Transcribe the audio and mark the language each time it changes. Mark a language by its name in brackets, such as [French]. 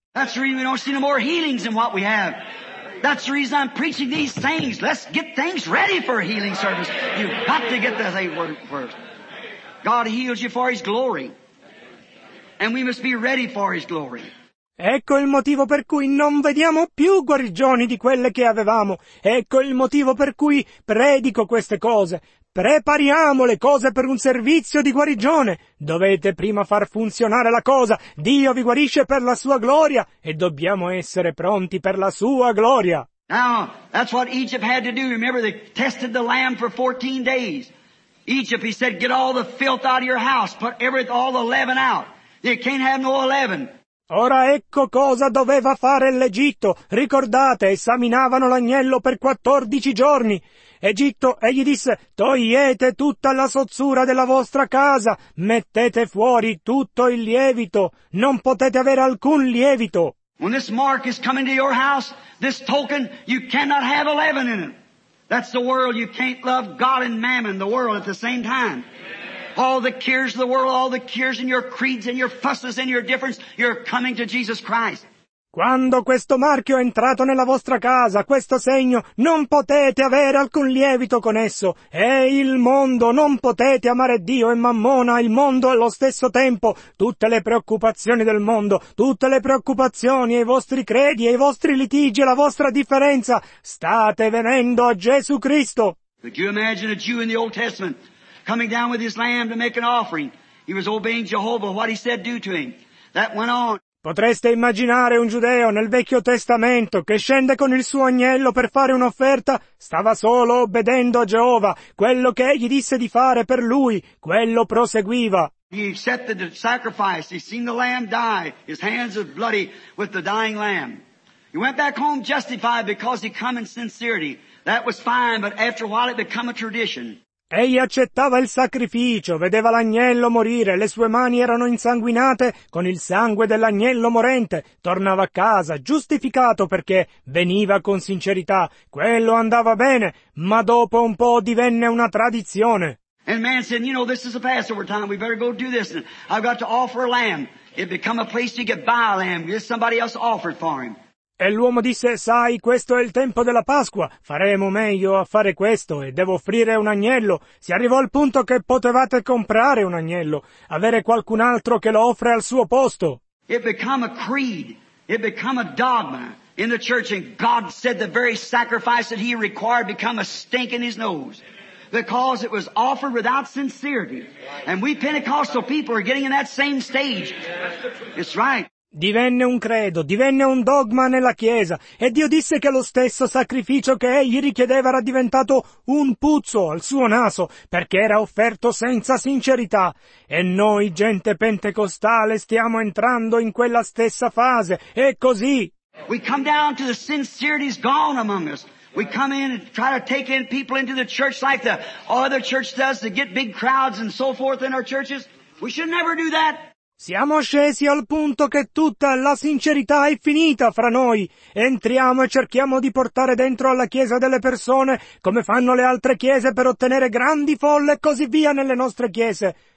[English] That's the reason we don't see no more healings in what we have. That's the reason I'm preaching these things. Let's get things ready for a healing service. You've got to get the thing working first. God heals you for His glory. And we must be ready for His glory. [Italian] Ecco il motivo per cui non vediamo più guarigioni di quelle che avevamo. Ecco il motivo per cui predico queste cose. Prepariamo le cose per un servizio di guarigione. Dovete prima far funzionare la cosa. Dio vi guarisce per la sua gloria e dobbiamo essere pronti per la sua gloria. [English] Now, that's what Egypt had to do. Remember, they tested the lamb for 14 days. Egypt, he said, get all the filth out of your house. Put all the leaven out. You can't have no leaven. [Italian] Ora ecco cosa doveva fare l'Egitto. Ricordate, esaminavano l'agnello per 14 giorni. Egitto, egli disse, togliete tutta la sozzura della vostra casa, mettete fuori tutto il lievito, non potete avere alcun lievito. [English] When this mark is coming to your house, this token, you cannot have a leaven in it. That's the world, you can't love God and mammon, the world at the same time. All the cares of the world, all the cares in your creeds and your fusses and your difference, you're coming to Jesus Christ. [Italian] Quando questo marchio è entrato nella vostra casa, questo segno, non potete avere alcun lievito con esso. È il mondo, non potete amare Dio e Mammona, il mondo allo stesso tempo. Tutte le preoccupazioni del mondo, tutte le preoccupazioni, i vostri credi, i vostri litigi, la vostra differenza, state venendo a Gesù Cristo. [English] Could you imagine a Jew in the Old Testament coming down with his lamb to make an offering? He was obeying Jehovah, what he said do to him. That went on. [Italian] Potreste immaginare un giudeo nel Vecchio Testamento che scende con il suo agnello per fare un'offerta? Stava solo obbedendo a Geova, quello che egli disse di fare per lui, quello proseguiva. [English] He accepted the sacrifice, he seen the lamb die, his hands are bloody with the dying lamb. He went back home justified because he come in sincerity. That was fine, but after a while it became a tradition. [Italian] Egli accettava il sacrificio, vedeva l'agnello morire, le sue mani erano insanguinate con il sangue dell'agnello morente, tornava a casa, giustificato perché veniva con sincerità, quello andava bene, ma dopo un po' divenne una tradizione. [English] And man said, you know, this is a Passover time, we better go do this, I've got to offer a lamb. It become a place to get by a lamb, just somebody else offered for him. [Italian] E l'uomo disse, sai, questo è il tempo della Pasqua, faremo meglio a fare questo e devo offrire un agnello. Si arrivò al punto che potevate comprare un agnello, avere qualcun altro che lo offre al suo posto. [English] It became a creed, it became a dogma in the church, and God said the very sacrifice that he required became a stink in his nose. Because it was offered without sincerity. And we Pentecostal people are getting in that same stage. It's right. [Italian] Divenne un credo, divenne un dogma nella Chiesa, e Dio disse che lo stesso sacrificio che egli richiedeva era diventato un puzzo al suo naso, perché era offerto senza sincerità. E noi, gente pentecostale, stiamo entrando in quella stessa fase, è così. [English] We come down to the sincerity's gone among us. We come in and try to take in people into the church like the other church does to get big crowds and so forth in our churches. We should never do that. [Italian] Siamo scesi al punto che tutta la sincerità è finita fra noi. Entriamo e cerchiamo di portare dentro alla chiesa delle persone come fanno le altre chiese per ottenere grandi folle e così via nelle nostre chiese.